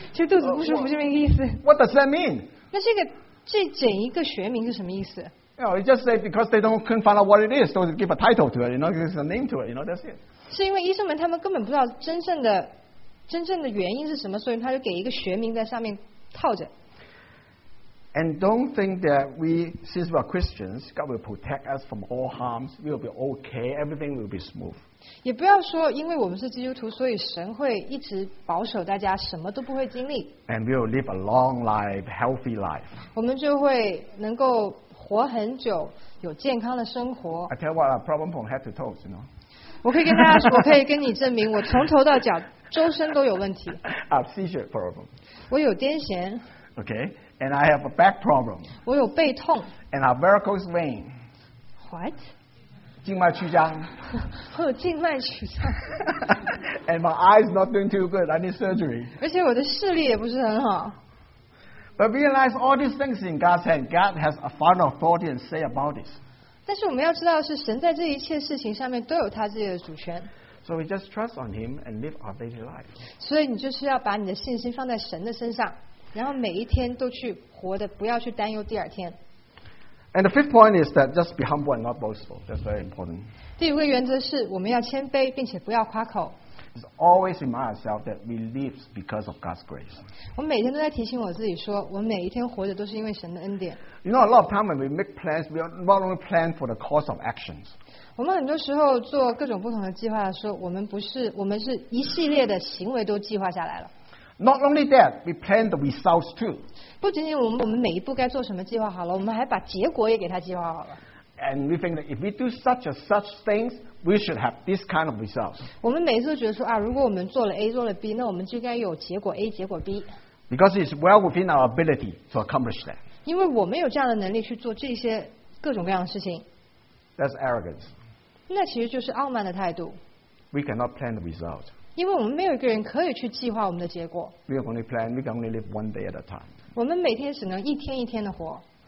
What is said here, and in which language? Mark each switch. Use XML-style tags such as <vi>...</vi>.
<zh>其实肚子不舒服是这个意思。</zh> <en>What does that mean?</en> <zh>那这整一个学名是什么意思？</zh> <en>You know, you just say because they don't couldn't find out what it is, so they give a title to it, you know, give a name to it, you know, that's it.</en> <zh>是因为医生们他们根本不知道真正的原因是什么，所以他就给一个学名在上面套着。</zh> <en>And don't think that we, since we are Christians, God will protect us from all harms. We will be okay. Everything will be smooth.</en> <zh>也不要说因为我们是基督徒，所以神会一直保守大家，什么都不会经历。</zh> <en>And we will live a long life, healthy life.</en> <zh>我们就会能够活很久，有健康的生活。</zh> <en>I tell you what, a problem from head to toes, you know.</en> <zh>我可以跟大家说，我可以跟你证明，我从头到脚，周身都有问题。</zh> <en>A seizure problem.</en> <zh>我有癫痫。</zh> <en>Okay. And I have a back problem.</en> <zh>我有背痛。</zh> <en>And a varicose vein. What?</en> <zh>静脉曲张。我有静脉曲张。</zh> <en>And my eyes not doing too good. I need surgery.</en> <zh>而且我的视力也不是很好。</zh> <en>But realize all these things in God's hand. God has a final authority and say about this.</en> <zh>但是我们要知道是神在这一切事情上面都有他自己的主权。</zh> <en>So we just trust on Him and live our daily life.</en> <zh>所以你就是要把你的信心放在神的身上。然后每一天都去活的，不要去担忧第二天。</zh> <en>And the fifth point is that just be humble and not boastful. That's very important.</en> <zh>第五个原则是我们要谦卑，并且不要夸口。</zh> <en>It's always remind ourselves that we live because of God's grace.</en> <zh>我每天都在提醒我自己说，我每一天活着都是因为神的恩典。</zh> <en>You know, a lot of time when we make plans, we not only plan for the course of actions.</en> <zh>我们很多时候做各种不同的计划的时候，我们是一系列的行为都计划下来了。</zh> <en>Not only that, we plan the results too.</en> <zh>不仅仅我们每一步该做什么计划好了，我们还把结果也给他计划好了。</zh> <en>And we think that if we do such and such things, we should have this kind of results.</en> <zh>我们每次都觉得说啊，如果我们做了 A, 做了 B, 那我们就该有结果 A, 结果 B.</zh> <en>Because it's well within our ability to accomplish that.</en> <zh>因为我们有这样的能力去做这些各种各样的事情。</zh> <en>That's arrogance.</en> <zh>那其实就是傲慢的态度。</zh> <en>We cannot plan the results.</en> <zh>因为我们没有一个人可以去计划我们的结果。</zh> <en>We can only plan. We can only live one day at a time.</en> <zh>我们每天只能一天一天的活。</zh>